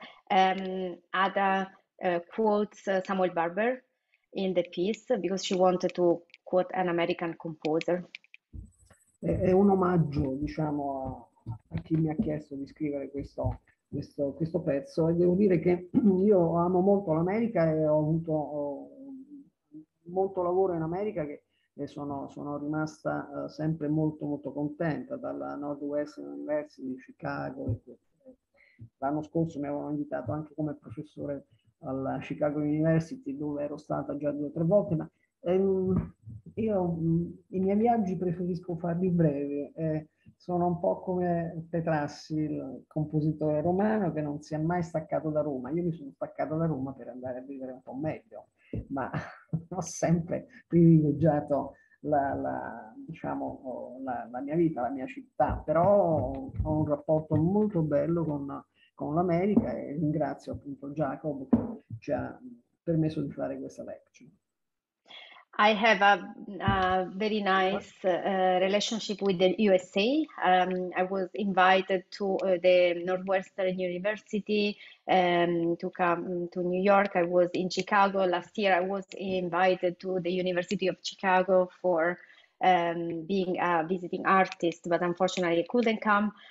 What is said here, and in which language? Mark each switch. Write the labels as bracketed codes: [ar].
[en] Ada quotes Samuel Barber in the piece because she wanted to quote an American composer. [it] È un omaggio, diciamo, a chi mi ha chiesto di scrivere questo pezzo, e devo dire che io amo molto l'America e ho avuto molto lavoro in America, che sono rimasta sempre molto molto contenta, dalla Northwestern University di Chicago. L'anno scorso mi avevano invitato anche come professore alla Chicago University, dove ero stata già due o tre volte, ma io i miei viaggi preferisco farli brevi. Sono un po' come Petrassi, il compositore romano, che non si è mai staccato da Roma. Io mi sono staccato da Roma per andare a vivere un po' meglio, ma ho sempre privilegiato la mia vita, la mia città. Però ho un rapporto molto bello con l'America e ringrazio appunto Jacob che ci ha permesso di fare questa lecture. [en] I have a very nice relationship with the USA. I was invited to the Northwestern University to come to New York. I was in Chicago last year. I was invited to the University of Chicago for being a visiting artist, but unfortunately I couldn't come.